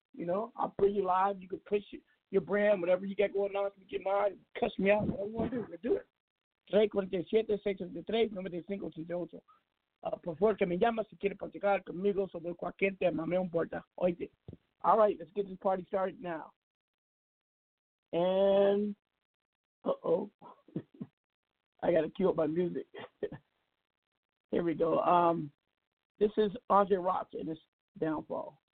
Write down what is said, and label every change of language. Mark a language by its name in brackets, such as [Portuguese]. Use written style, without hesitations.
[English] You know, I'll bring you live. You can push your brand, whatever you got going on, if you get mine, cuss me out, whatever you want to do, let's do it. 347-683-9588. [Spanish] Por favor, que me llame si quiere platicar conmigo sobre cualquier tema, no importa. [English] Oye, all right, let's get this party started now. And, I got to cue up my music. Here we go. This is Andre Rocks and it's Downfall.